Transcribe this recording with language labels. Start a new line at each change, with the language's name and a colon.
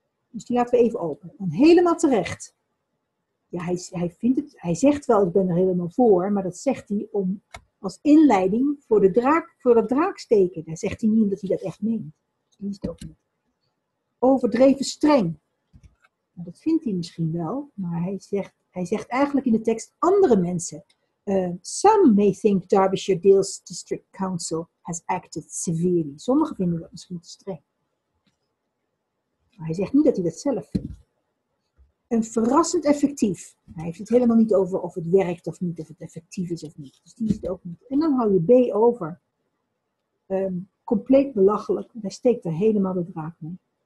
Dutch: Dus die laten we even open. En helemaal terecht. Ja, hij vindt het, hij zegt wel, ik ben er helemaal voor, maar dat zegt hij om als inleiding voor de draak, voor dat draaksteken. Daar zegt hij niet dat hij dat echt neemt. Dus die is het ook niet. Overdreven streng. Nou, dat vindt hij misschien wel, maar hij zegt eigenlijk in de tekst andere mensen.
English: Some may think Derbyshire Dales District Council has acted severely.
Dutch: Sommigen vinden dat misschien te streng. Maar hij zegt niet dat hij dat zelf vindt. En verrassend effectief. Hij heeft het helemaal niet over of het werkt of niet, of het effectief is of niet. Dus die is het ook niet. En dan hou je B over. Compleet belachelijk. Hij steekt er helemaal de draak mee.